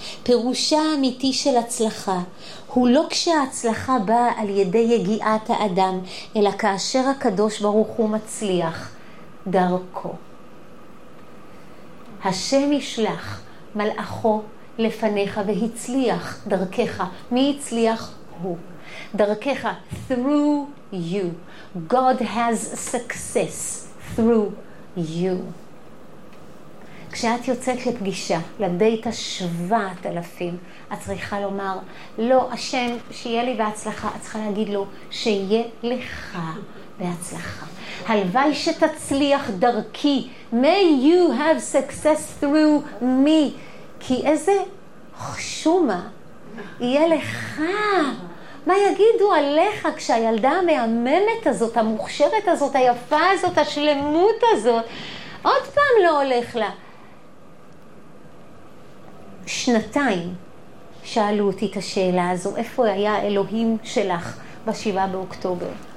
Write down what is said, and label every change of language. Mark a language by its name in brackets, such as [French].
[Hebrew] פירושה האמיתי של הצלחה הוא לא כשההצלחה באה על ידי יגיעת האדם, אלא כאשר הקדוש ברוך הוא מצליח דרכו. השם ישלח מלאכו לפניך והצליח דרכך. מי הצליח? הוא. [English] דרכך, through you. God has success through you. [Hebrew] כשאת יוצאת לפגישה, לדייט 7,000, את צריכה לומר, לא, השם, שיהיה לי בהצלחה. את צריכה להגיד לו, שיהיה לך בהצלחה. הלוואי שתצליח דרכי. [English] May you have success through me. [Hebrew] כי איזה חשומה יהיה לך. מה יגידו עליך כשהילדה המאממת הזאת, המוכשרת הזאת, היפה הזאת, השלמות הזאת, עוד פעם לא הולך לה? שנתיים שאלו אותי את השאלה הזו, איפה היה אלוהים שלך בשבעה באוקטובר?